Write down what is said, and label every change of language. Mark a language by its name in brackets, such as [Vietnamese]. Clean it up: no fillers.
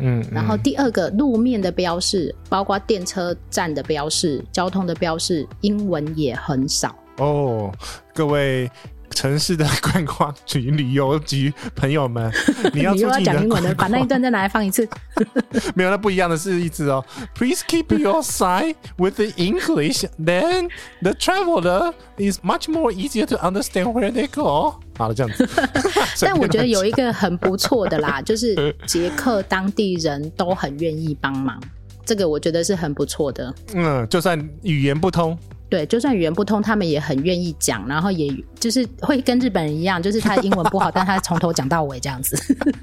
[Chinese] 然后第二个，路面的标示，包括电车站的标示、交通的标示，英文也很少。哦，各位城市的观光局、旅游局朋友们，你要出去讲英文的，把那一段再拿来放一次。没有，那不一样的是一次哦。 [English] Please keep your sign with the English, then the traveler is much more easier to understand where they go. [Chinese] 好了，这样子。但我觉得有一个很不错的啦，就是捷克当地人都很愿意帮忙，这个我觉得是很不错的。就算语言不通。对，就算语言不通他们也很愿意讲，然后也就是会跟日本人一样，就是他英文不好但他从头讲到尾这样子